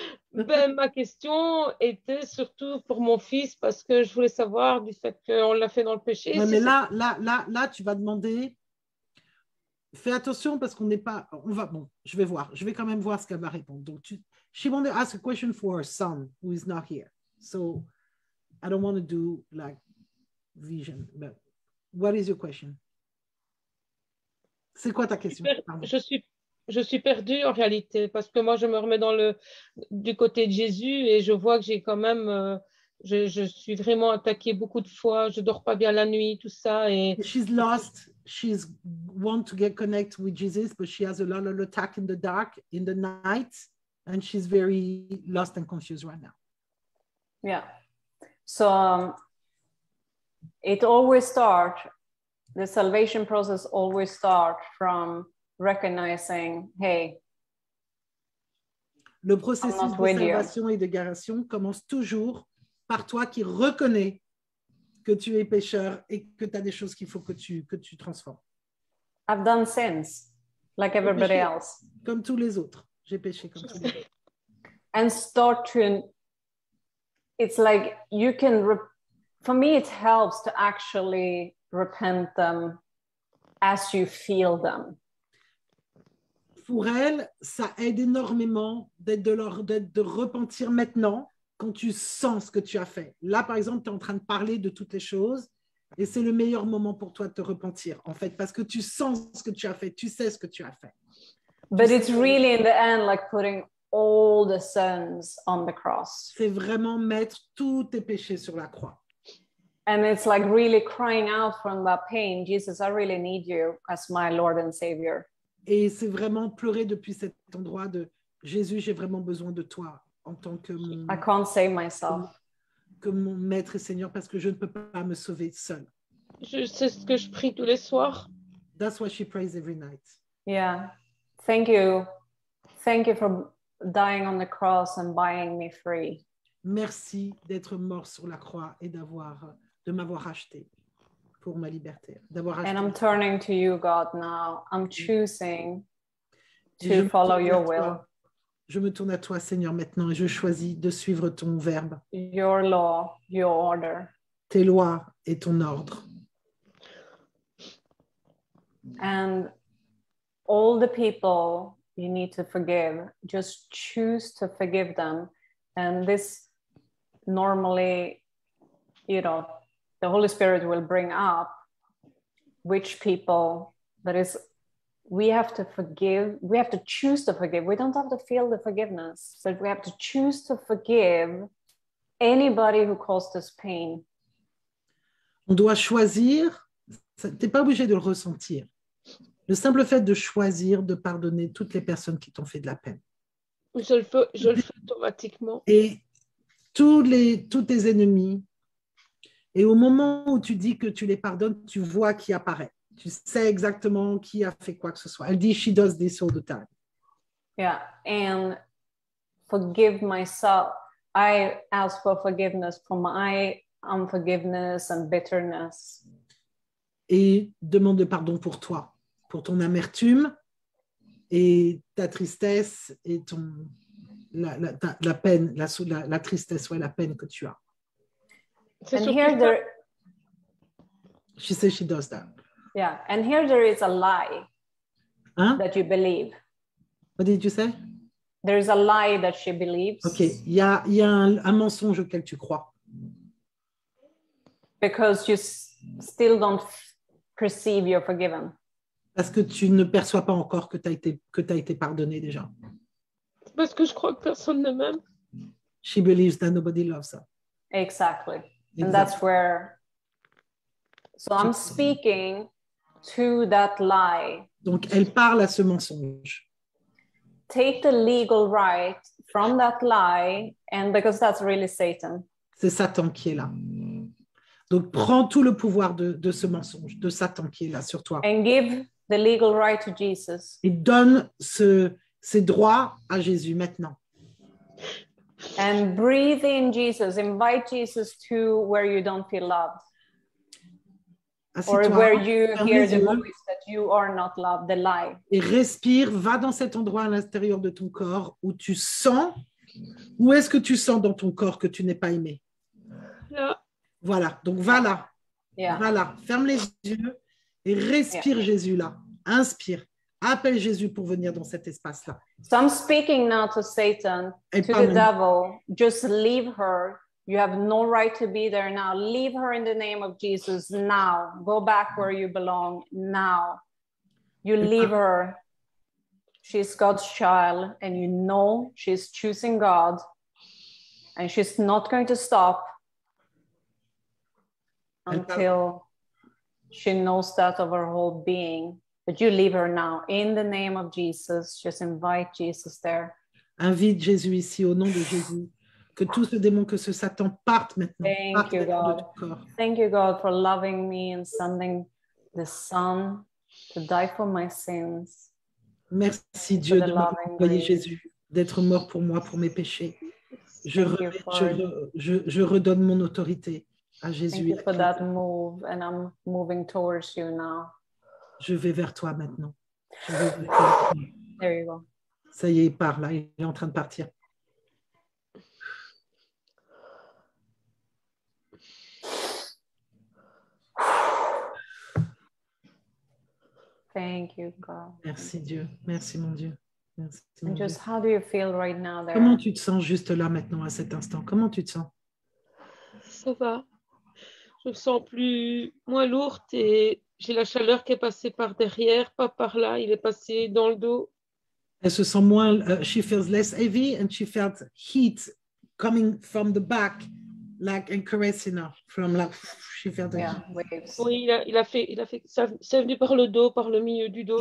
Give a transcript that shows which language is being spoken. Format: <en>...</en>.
<fr>Ben, ma question était surtout pour mon fils, parce que je voulais savoir du fait qu'on l'a fait dans le péché. Ouais, mais là, tu vas demander... Fais attention parce qu'on n'est pas... On va, bon, je vais voir. Je vais quand même voir ce qu'elle va répondre.</fr> <en>Donc, she wanted to ask a question for her son who is not here. So, I don't want to do like vision. But what is your question?</en> <fr>C'est quoi ta question? Je suis perdue en réalité parce que moi, je me remets du côté de Jésus et je vois que j'ai quand même... Je suis vraiment attaquée beaucoup de fois. Je ne dors pas bien la nuit, tout ça. Et...</fr> <en>She's lost. She's want to get connected with Jesus, but she has a lot of attack in the dark, in the night, and she's very lost and confused right now. Yeah. So it always starts, the salvation process always starts from recognizing, hey,</en> <fr>le processus de salvation et de guérison commence toujours par toi qui reconnais que tu es pécheur et que tu as des choses qu'il faut que tu transformes.</fr> <en>I've done sins, like everybody else.</en> <fr>Comme tous les autres, j'ai péché comme tous les autres.</fr> <en>And start to, it's like you can, for me it helps to actually repent them as you feel them.</en> <fr>Pour elle, ça aide énormément de repentir maintenant quand tu sens ce que tu as fait. Là, par exemple, tu es en train de parler de toutes les choses et c'est le meilleur moment pour toi de te repentir, en fait, parce que tu sens ce que tu as fait, tu sais ce que tu as fait.</fr> <en>But it's really in the end like putting all the sins on the cross.</en> <fr>C'est vraiment mettre tous tes péchés sur la croix.</fr> <en>And it's like really crying out from that pain, Jesus, I really need you as my Lord and Savior.</en> <fr>Et c'est vraiment pleurer depuis cet endroit de Jésus, j'ai vraiment besoin de toi. En tant que mon,</fr> <en>I can't save myself.</en> <fr>Comme mon maître et seigneur, parce que je ne peux pas me sauver seul. C'est ce que je prie tous les soirs.</fr> <en>That's what she prays every night. Yeah. Thank you for dying on the cross and buying me free.</en> <fr>Merci d'être mort sur la croix et de m'avoir acheté pour ma liberté.</fr> <en>And I'm turning to you, God, now. I'm choosing to follow your will.</en> <fr>Je me tourne à toi, Seigneur, maintenant, et je choisis de suivre ton verbe.</fr> <en>Your law, your order.</en> <fr>Tes lois et ton ordre.</fr> <en>And all the people you need to forgive, just choose to forgive them. And this normally, you know, the Holy Spirit will bring up which people that is... We have to forgive. We have to choose to forgive. We don't have to feel the forgiveness, but we have to choose to forgive anybody who caused us pain.</en> <fr>On doit choisir. T'es pas obligé de le ressentir. Le simple fait de choisir de pardonner toutes les personnes qui t'ont fait de la peine. Je le fais automatiquement. Et tous tes ennemis. Et au moment où tu dis que tu les pardonnes, tu vois qui apparaît. Tu sais exactement qui a fait quoi que ce soit. Elle dit,</fr> <en>she does this all the time. Yeah, and forgive myself. I ask for forgiveness for my unforgiveness and bitterness.</en> <fr>Et demande pardon pour toi, pour ton amertume et ta tristesse et la peine que tu as.</fr> <en>And here she says she does that. Yeah, and here there is a lie hein? That you believe. What did you say? There is a lie that she believes.</en> <fr>OK, il y a un mensonge auquel tu crois. Because you still don't perceive you're forgiven. Parce que tu ne perçois pas encore que tu as été pardonné déjà. Parce que je crois que personne ne m'aime.</fr> <en>She believes that nobody loves her. Exactly. Exactly. And that's where... So I'm speaking to that lie.</en> <fr>Donc elle parle à ce mensonge.</fr> <en>Take the legal right from that lie, and because that's really Satan.</en> <fr>C'est Satan qui est là. Donc prends tout le pouvoir de ce mensonge, de Satan qui est là sur toi.</fr> <en>And give the legal right to Jesus.</en> <fr>Et donne ces droits à Jésus maintenant.</fr> <en>And breathe in Jesus. Invite Jesus to where you don't feel loved.</en> <fr>Assieds-toi,</fr> <en>or where you hear the voice that you are not loved, the lie.</en> <fr>Et respire, va dans cet endroit à l'intérieur de ton corps où tu sens, où est-ce que tu sens dans ton corps que tu n'es pas aimé? Là. Voilà, donc va là.</fr> <en>Yeah.</en> <fr>Va là, ferme les yeux et respire, yeah. Jésus là. Inspire, appelle Jésus pour venir dans cet espace-là.</fr> <en>So I'm speaking now to Satan, et to the même. Devil, just leave her. You have no right to be there now. Leave her in the name of Jesus now. Go back where you belong now. You leave her. She's God's child and you know she's choosing God and she's not going to stop until she knows that of her whole being. But you leave her now in the name of Jesus. Just invite Jesus there.</en> <fr>Invite Jésus ici au nom de Jésus. Que tout ce démon, que ce Satan parte maintenant.</fr> <en>Thank you, God. Thank you, God, for loving me and sending the Son to die for my sins.</en> <fr>Merci, Dieu, de m'envoyer Jésus, d'être mort pour moi, pour mes péchés. Je redonne mon autorité à Jésus.</fr> <en>Thank you for that move, and I'm moving towards you now.</en> <fr>Je vais vers toi maintenant.</fr> <en>There you go.</en> <fr>Ça y est, il part là, il est en train de partir.</fr> <en>Thank you, God.</en> <fr>Merci Dieu. Merci mon Dieu. Merci, mon just Dieu.</fr> <en>How do you feel right now there?</en> <fr>Comment tu te sens juste là maintenant à cet instant? Comment tu te sens? Ça va. Je me sens plus moins lourde et j'ai la chaleur qui est passée par derrière, pas par là. Il est passé dans le dos. Elle se sent moins.</fr> <en>She feels less heavy and she felt heat coming from the back, like and caressing her from like.</en> <fr>Yeah, oui, il a fait ça, c'est venu par le dos, par le milieu du dos.</fr>